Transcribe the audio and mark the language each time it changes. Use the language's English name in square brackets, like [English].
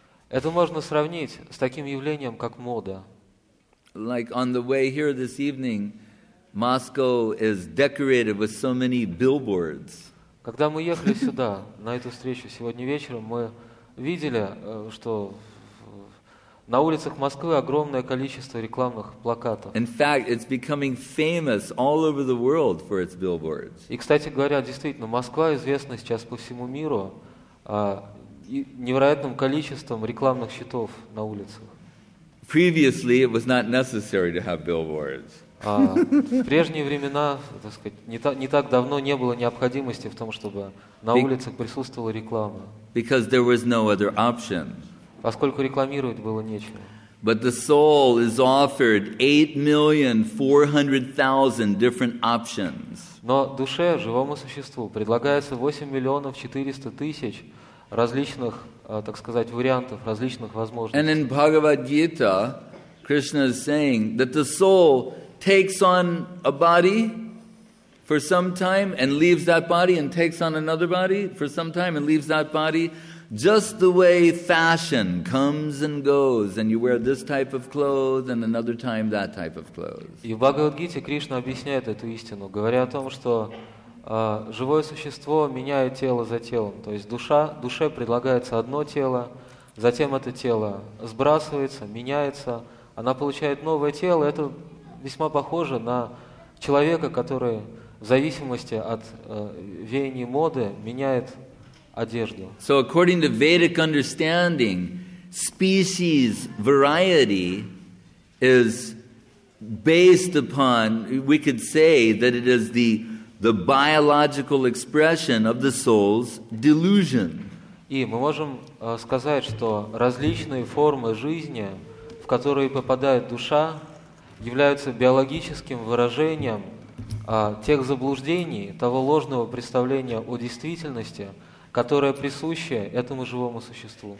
[Russian] Это можно сравнить с таким явлением, как мода. [English] Like on the way here this evening, Moscow is decorated with so many billboards. [Russian] Когда мы ехали сюда, на эту встречу сегодня вечером, мы видели, что на улицах Москвы огромное количество рекламных плакатов. [English] In fact, it's becoming famous all over the world for its billboards. [Russian] И, кстати говоря, действительно, Москва известна сейчас по всему миру невероятным количеством рекламных щитов на улицах. [English] Previously, it was not necessary to have billboards. [Russian] В прежние времена, так сказать, не так давно не было необходимости в том, чтобы на улицах присутствовала реклама. [English] Because there was no other option. [Russian] Поскольку рекламировать было нечего. [English] But the soul is offered 8,400,000 different options. [Russian] Но душе, живому существу, предлагается 8,400,000 различных, так сказать, вариантов, различных возможностей. [English] And in Bhagavad Gita, Krishna is saying that the soul takes on a body for some time and leaves that body and takes on another body for some time and leaves that body. Just the way fashion comes and goes, and you wear this type of clothes, and another time that type of clothes. [Russian] И в Бхагавад-гите Кришна объясняет эту истину, говоря о том, что живое существо меняет тело за телом. То есть душе предлагается одно тело, затем это тело сбрасывается, меняется, она получает новое тело. Это весьма похоже на человека, который в зависимости от веяний моды меняет одежду. [English] So according to Vedic understanding, species variety is based upon, we could say that it is the biological expression of the soul's delusion. [Russian] И мы можем сказать, что различные формы жизни, в которые попадает душа, являются биологическим выражением тех заблуждений, того ложного представления о действительности, которая присуща этому живому существу.